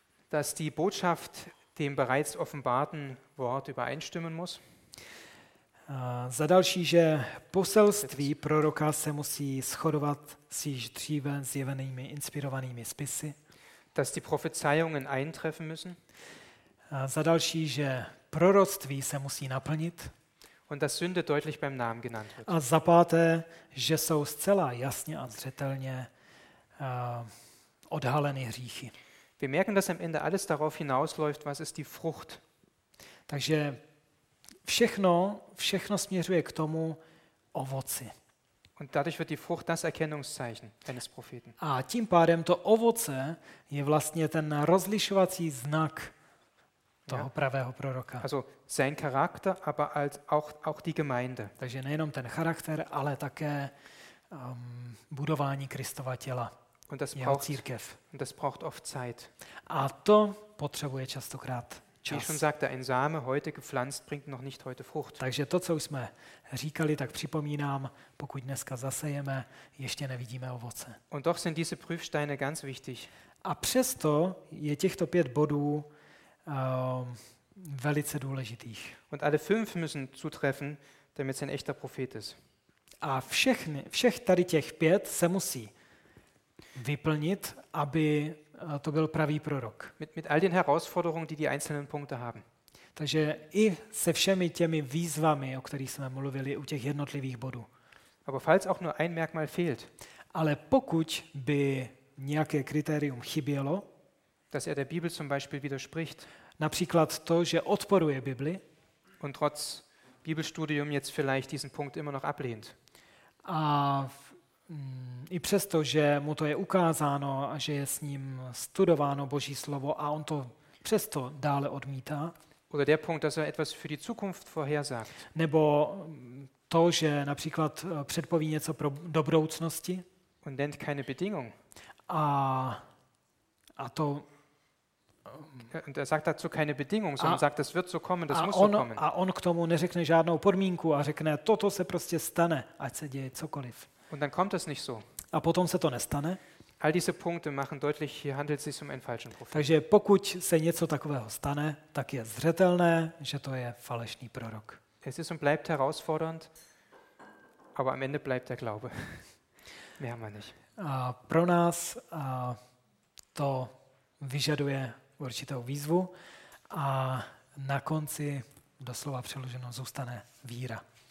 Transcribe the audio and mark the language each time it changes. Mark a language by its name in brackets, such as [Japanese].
[German] dass die Botschaft dem bereits offenbarten Wort übereinstimmen muss. [Czech] Za další, že poselství proroka se musí shodovat s již dříve zjevenými inspirovanými spisy. [German] Dass die Prophezeiungen eintreffen müssen. [Czech] Za další, že proroctví se musí naplnit. [German] Und dass Sünde deutlich beim Namen genannt wird. [Czech] A za páté, že jsou zcela jasně a zřetelně odhaleny hříchy. [German] Wir merken, dass am Ende alles darauf hinausläuft, was ist die Frucht. [Czech] Takže všechno směřuje k tomu ovoci. [German] Und dadurch wird die Frucht das Erkennungszeichen eines Propheten. [Czech] A tím pádem to ovoce je vlastně ten rozlišovací znak toho pravého proroka. [German] Also sein Charakter, aber als auch die Gemeinde. [Czech] Takže nejenom ten charakter, ale také budování Kristova těla. [German] Und das braucht Církev. Und das braucht oft Zeit. [Czech] A to potřebuje častokrát. [German] Wie ich schon sagte, ein Same heute gepflanzt bringt noch nicht heute Frucht. [Czech] Takže to, co už jsme říkali, tak připomínám, pokud dneska zasejeme, ještě nevidíme ovoce. [German] Und doch sind diese Prüfsteine ganz wichtig. [Czech] A přesto je těchto pět bodů velice důležitých. [German] Und alle fünf müssen zutreffen, damit es ein echter Prophet ist. [Czech] A všech tady těch pět se musí vyplnit, aby to byl pravý prorok. [German] Mit all den Herausforderungen, die einzelnen Punkte haben. [Czech] Takže i se všemi těmi výzvami, o kterých jsme mluvili u těch jednotlivých bodů. [German] Aber falls auch nur ein Merkmal fehlt. [Czech] Ale pokud by nějaké kritérium chybělo, [German] dass er der Bibel zum Beispiel widerspricht, [Czech] například to, že odporuje Bibli, [German] und trotz Bibelstudium jetzt vielleicht diesen Punkt immer noch ablehnt. [Czech] A i přesto, že mu to je ukázáno a že je s ním studováno Boží slovo a on to přesto dále odmítá. [German] Oder der Punkt, dass er etwas für die Zukunft vorhersagt. [Czech] Nebo to, že například předpoví něco pro do budoucnosti. [German] Und nennt keine Bedingung. [Czech] A to [German] und er sagt dazu keine Bedingung, sondern sagt, das wird so kommen, das muss [Czech] on, [German] so kommen. [Czech] A on k tomu neřekne žádnou podmínku a řekne, toto se prostě stane, ať se děje cokoliv. [German] Und dann kommt es nicht so. [Czech] A potom se to nestane. [German] All diese Punkte machen deutlich, hier handelt es sich um einen falschen Propheten. [Czech] Takže pokud se něco takového stane, tak je zřetelné, že to je falešný prorok. [German] Es ist und bleibt herausfordernd, aber am Ende bleibt der Glaube. Mehr haben wir nicht. [Czech] A pro nás a to vyžaduje určitou výzvu a na konci doslova přeloženo zůstane víra.